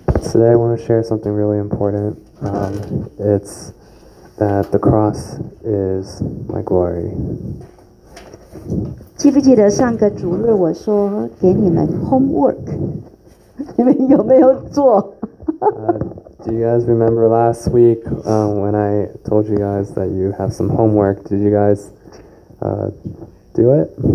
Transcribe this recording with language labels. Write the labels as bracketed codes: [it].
[en] Today I want to share something really important. It's that the cross is my glory. [zh] 记不记得上个主日我说给你们 homework， 你们有没有做？ [en] Do you guys remember last week when I told you guys that you have some homework? Did you guys do it?